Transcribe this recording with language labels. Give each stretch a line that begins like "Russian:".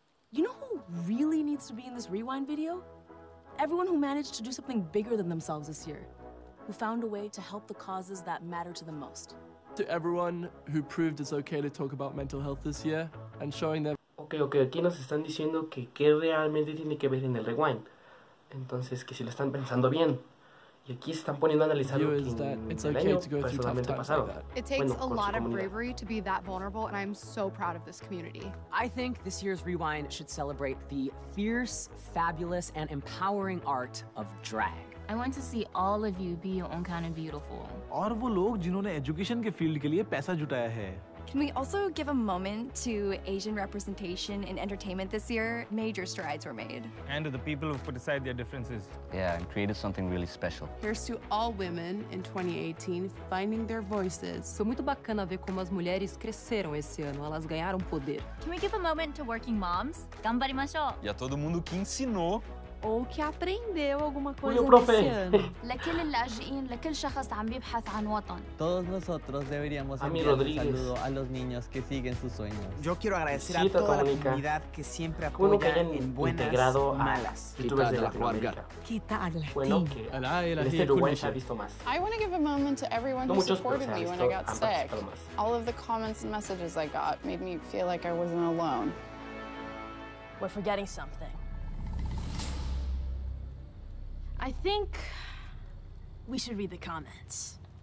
English: You know who really needs to be in this rewind video? Everyone who managed to do something bigger than themselves this year. Who found a way to help the causes that matter to them most. To everyone who proved it's okay to talk about mental health this year and showing them.
Spanish: Okay, aquí nos están diciendo que qué realmente tiene que ver en el rewind. Entonces, que si lo están pensando bien. Y aquí se están poniendo a analizar lo que en el año personalmente pasaron.
English: It takes a lot of bravery to be that vulnerable, and I'm so proud of this community. I think this year's Rewind should celebrate the fierce, fabulous, and empowering art of drag. I want to see all of you be your own kind of beautiful.
Hindi: और वो लोग जिन्होंने education के field के लिए पैसा जुटाया है.
English: Can we also give a moment to Asian representation in entertainment this year? Major strides were made. And to the people who've put aside their differences. Yeah, and created something really special. Here's to all women in 2018 finding their voices.
Portuguese: Foi muito bacana ver como as mulheres cresceram esse ano. Elas ganharam poder.
English: Can we give a moment to working moms?
Japanese: Ganbarimashou.
Portuguese: E a todo mundo que ensinou. Ou que aprendeu alguma coisa nesse ano.
Arabic: لكل اللاجئين لكل شخص عم يبحث عن وطن.
Spanish: Todos nosotros deberíamos enviar un saludo a los niños que siguen sus sueños. Yo quiero agradecer a toda la comunidad que siempre apoya en buenas y malas. YouTubers de Latinoamérica. ¿Qué tal? Bueno, que este Uruguay se ha visto más.
English: I want to give a moment to everyone who supported me when I got sick. All of the comments and messages I got made me feel like I wasn't alone. We're forgetting something. I think we should read the comments.